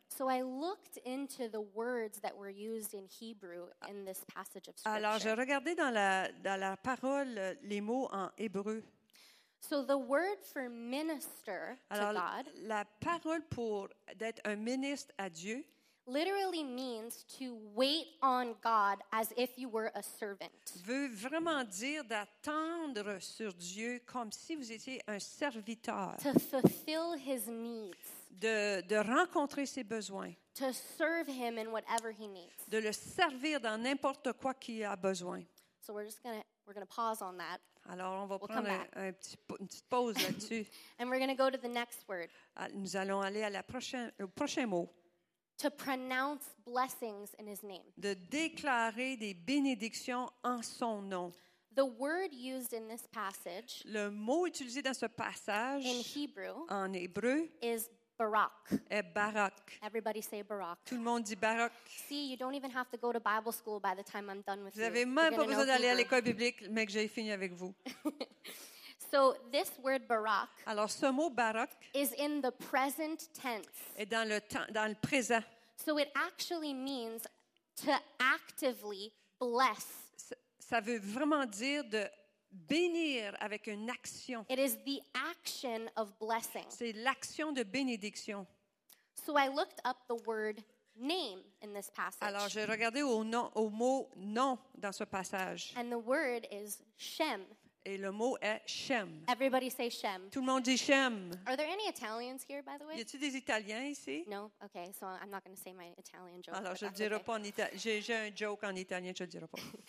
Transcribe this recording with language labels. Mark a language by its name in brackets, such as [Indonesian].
[English] So I looked into the words that were used in Hebrew in this passage of Scripture. [French] Alors j'ai regardé dans la parole les mots en hébreu. [English] So the word for minister [French] alors, [English] to God, [French] la parole pour d'être un ministre à Dieu, [English] literally means to wait on God as if you were a servant. [French] Veut vraiment dire d'attendre sur Dieu comme si vous étiez un serviteur. [English] To fulfill his needs. [French] De rencontrer ses besoins. [English] To serve him in whatever he needs. [French] De le servir dans n'importe quoi qu'il a besoin. [English] So we're gonna pause on that. [French] Alors on va prendre une petite pause là-dessus. [English] And we're gonna go to the next word. [French] Nous allons aller à au prochain mot. [English] To pronounce blessings in his name. [French] De déclarer des bénédictions en son nom. [English] The word used in this passage. [French] Le mot utilisé dans ce passage. [English] In Hebrew. [French] En hébreu. [English] Is Barak. [French] Est Barak. [English] Everybody say Barak. [French] Tout le monde dit Barak. [English] See, you don't even have to go to Bible school by the time I'm done with you. [French] Vous avez même pas besoin d'aller à l'école biblique, mais que j'ai fini avec vous. [English] So this word Barak. [French] Alors ce mot Barak. [English] Is in the present tense. [French] Est dans le temps, dans le présent. [English] So it actually means to actively bless. [French] Ça veut vraiment dire de bénir avec une action. [English] It is the action of blessing. [French] C'est l'action de bénédiction. [English] So I looked up the word name in this passage. [French] Alors j'ai regardé au mot nom dans ce passage. [English] And the word is Shem. [French] Et le mot est Shem. [English] Everybody say Shem. [French] Tout le monde dit Shem. [English] Are there any Italians here, by the way? [French] Y a-t-il des Italiens ici? [English] No. Okay. So I'm not going to say my Italian joke. [French] Alors je dirai pas en italien. J'ai un joke en italien, je dirai pas.